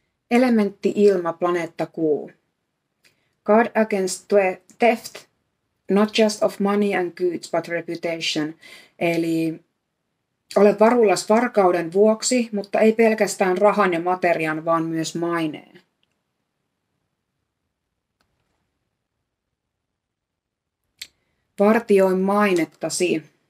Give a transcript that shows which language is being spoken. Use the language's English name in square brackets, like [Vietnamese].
[Finnish] Elementti ilma, planeetta kuu. [English] Guard against theft. Not just of money and goods, but reputation. [Finnish] Eli olet varuillas varkauden vuoksi, mutta ei pelkästään rahan ja materian, vaan myös maineen. Vartioin mainettasi.